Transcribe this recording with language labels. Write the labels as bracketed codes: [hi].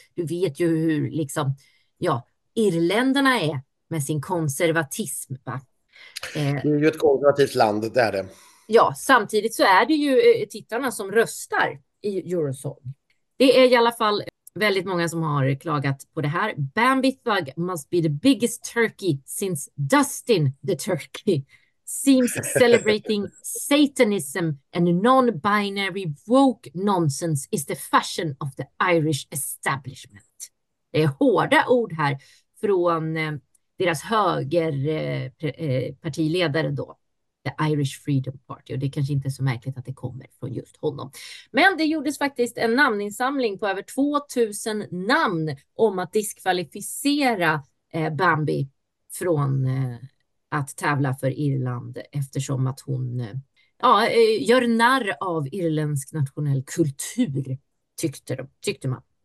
[sv] Du vet ju hur liksom, ja, irländarna är med sin konservatism, va? Det är ju ett konservativt land, det är det. Ja, samtidigt så är det ju tittarna som röstar i Eurosong. Det är i alla fall väldigt många som har klagat på det här. [en] Bambi Thug must be the biggest turkey since Dustin the Turkey seems celebrating Satanism and non-binary woke nonsense is the fashion of the Irish establishment. [sv] Det är hårda ord här från deras högerpartiledare då. The Irish Freedom Party, och det kanske inte är så märkligt att det kommer från just honom. Men det gjordes faktiskt en namninsamling på över 2000 namn om att diskvalificera Bambi från att tävla för Irland, eftersom att hon gör narr av irländsk nationell kultur, tyckte man.